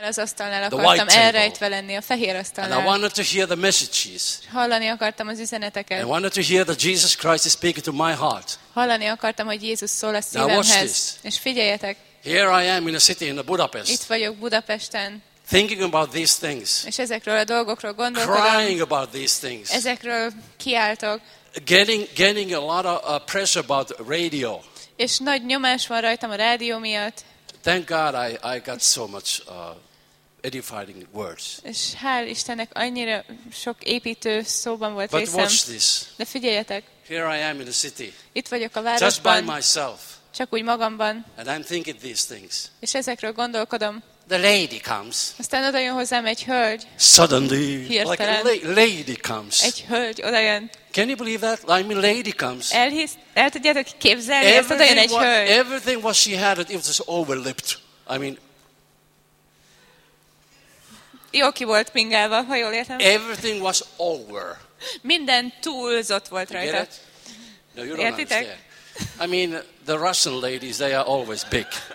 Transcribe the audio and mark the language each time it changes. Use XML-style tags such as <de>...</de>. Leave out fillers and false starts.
<hu>Az asztalnál akartam elrejtve lenni, a fehér asztalnál.</hu> <en>And I wanted to hear the messages.</en> <hu>Hallani akartam az üzeneteket.</hu> <en>And I wanted to hear that Jesus Christ is speaking to my heart.</en> <hu>Hallani akartam, hogy Jézus szól a szívemhez.</hu> <en>Now watch this.</en> <hu>És figyeljetek.</hu> <en>Here I am in a city in Budapest.</en> <hu>Itt vagyok Budapesten.</hu> <en>Thinking about these things.</en> <hu>És ezekről a dolgokról gondolkodom.</hu> <en>Crying about these things.</en> <hu>Ezekről kiáltok.</hu> <en>Getting a lot of pressure about radio.</en> <hu>És nagy nyomás van rajtam a rádió miatt.</hu> <en>Thank God I got so much edifying words.</en> <hu>És hál' Istennek annyira sok építő szóban volt</hu> <en>But But watch this.</en> <hu>De figyeljetek.</hu> <en>Here I am in the city.</en> <hu>Itt vagyok a városban.</hu> <en>Just by myself.</en> <hu>Csak úgy magamban.</hu> <en>And I'm thinking these things.</en> <hu>És ezekről gondolkodom.</hu> <en>The lady comes.</en> <hu>Aztán odajön hozzám egy hölgy.</hu> <en>Suddenly.</en> <hu>Hirtelen.</hu> <en>Like a lady comes.</en> <hu>Egy hölgy odajön.</hu> <en>Can you believe that? I mean, lady comes.</en> <hu>El tudjátok képzelni, ezt odajön egy hölgy.</hu> <en>Everything what she had, it was just overlipped. I mean,</en> <hu>jó ki volt pingálva, ha jól értem.</hu> <en>Everything was over.</en> <hu>Minden túlzott volt rajta.</hu> <en>You get it? No, you don't understand. I mean, the Russian ladies, they are always big.</en>